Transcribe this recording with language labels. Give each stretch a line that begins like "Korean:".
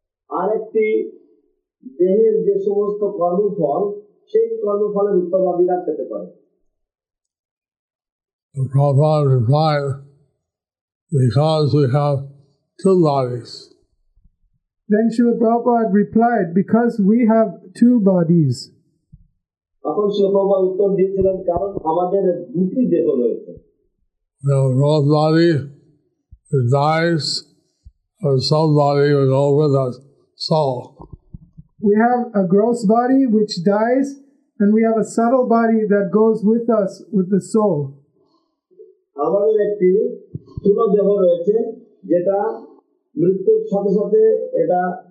Bangla: আরেকটি দেহের যে সমস্ত কর্মফল সেই কর্মফলের উত্তরাধিকার পেতে পারে.
English: Prabhupada replied, because we have two bodies. Then Srila Prabhupada replied, because we have two bodies.
Bangla: তখন Srila Prabhupada উত্তর দিয়েছিলেন, কারণ আমাদের দুটি দেহ রয়েছে.
English: The raw body dies, our soul body will go with us. So, we have a gross body which dies, and we have a subtle body that goes with us, with the soul.
Bangla: আমাদের একটি স্থূল দেহ রয়েছে যেটা মৃত্যুর সাথে সাথে এটা